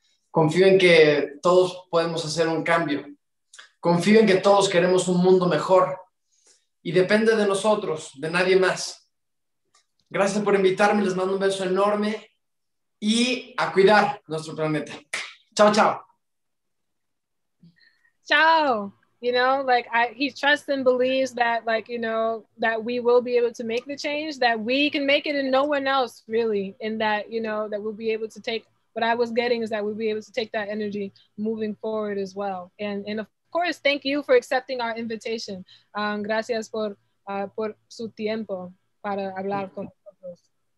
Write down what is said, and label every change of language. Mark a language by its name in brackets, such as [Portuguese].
[Spanish] Confío en que todos podemos hacer un cambio. Confío en que todos queremos un mundo mejor. Y depende de nosotros, de nadie más. Gracias por invitarme, les mando un beso enorme y a cuidar nuestro planeta. Chao, chao. Chao. [English] You know, like he trusts and believes that, like, you know, that we will be able to make the change, that we can make it and no one else really. And that, you know, that we'll be able to take, what I was getting is that we'll be able to take that energy moving forward as well. And of course, thank you for accepting our invitation. [Spanish] Gracias por su tiempo para hablar con nosotros.